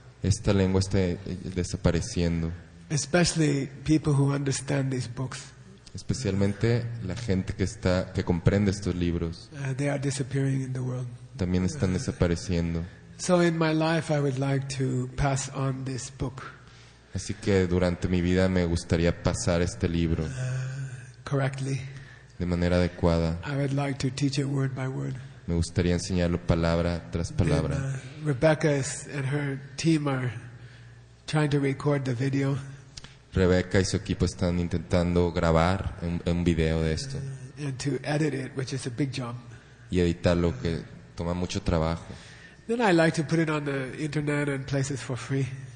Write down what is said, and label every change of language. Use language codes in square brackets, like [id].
[es] Esta lengua está desapareciendo. [en] Especially people who understand these books. [es] Especialmente la gente que comprende estos libros. [en] They are disappearing in the world. [es] También están desapareciendo. [en] So in my life I would like to pass on this book. [es] Así que durante mi vida me gustaría pasar este libro. [en] Correctly. [es] De manera adecuada. [en] I would like to teach it word by word. [es] Me gustaría enseñarlo palabra tras palabra. [en] Rebecca and her team are trying to record the video. [es] Rebecca y su equipo están intentando grabar un video de esto. [en] And to edit it, which is a big job. [es] Y editarlo, que toma mucho trabajo. [en] Then I like to put it on the internet and places for free.